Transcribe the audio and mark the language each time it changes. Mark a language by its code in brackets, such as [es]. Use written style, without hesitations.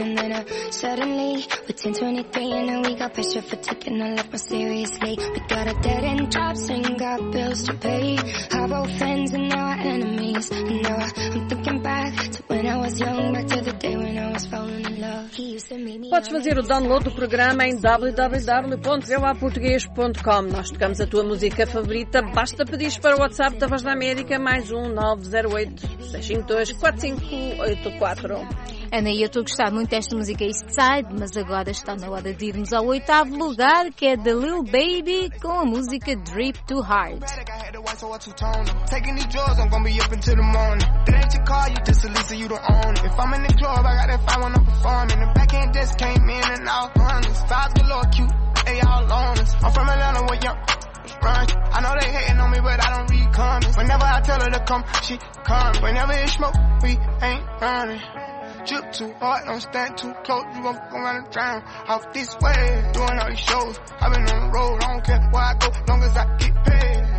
[en] And then suddenly, we're 10-23, and then we got pressure for taking our life more seriously. We got a dead end jobs and got bills to pay. Our old friends and now our enemies. And now I'm thinking back to when I was young, back to the day when I was falling in love. He used to meet me. [pt] Podes fazer o download do programa em www.voaportugues.com. Nós tocamos a tua música favorita. Basta pedires para o WhatsApp da Voz da América +1 908. 808-652-4584. Ana, eu estou a gostar muito desta música East Side, mas agora está na hora de irmos ao oitavo lugar, que é The Lil Baby, com a música Drip to Heart. [en] I know they hating on me, but I don't read comments. Whenever I tell her to come, she come. Whenever it's smoke, we ain't running. Drip too hard, don't stand too close. You gon' fuck around and drown. Off this way, doing all these shows. I've been on the road, I don't care where I go, long as I get paid.